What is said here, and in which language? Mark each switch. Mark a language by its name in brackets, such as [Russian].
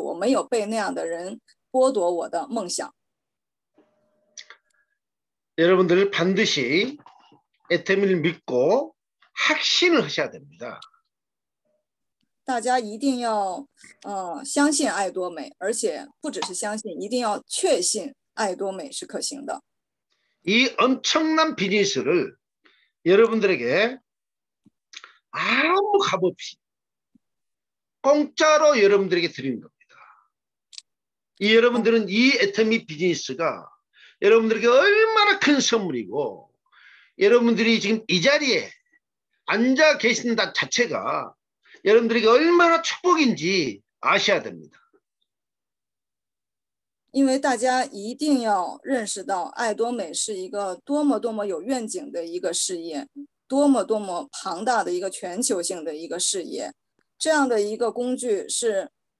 [Chinese] 因为我的这个组织也是全球的嘛，已经有了一个我们这样的顶峰中心，所以说我觉得我也是可以得到这样的一个报酬的，因为我当时紧紧的抓住了爱多美这样的一个道具，所以说有了今天的这样的一个成就。虽然有很多的人反对，很多的人瞧不起，但是我没有被那样的人剥夺我的梦想。 [Korean] 여러분들 반드시 애터미를 믿고 확신을 하셔야 됩니다. [Chinese] 大家一定要相信爱多美，而且不只是相信，一定要确信爱多美是可行的。 [Korean] 이 엄청난 비즈니스를 여러분들에게 아무 값 없이 공짜로 여러분들에게 드리는 겁니다. 이 여러분들은 이 애터미 비즈니스가 여러분들에게 얼마나 큰 선물이고 여러분들이 지금 이 자리에 앉아 계신다 자체가 여러분들에게 얼마나 축복인지 아셔야 됩니다. [Chinese] 因为大家一定要认识到爱多美是一个多么多么有愿景的一个事业，多么多么庞大的一个全球性的一个事业，这样的一个工具是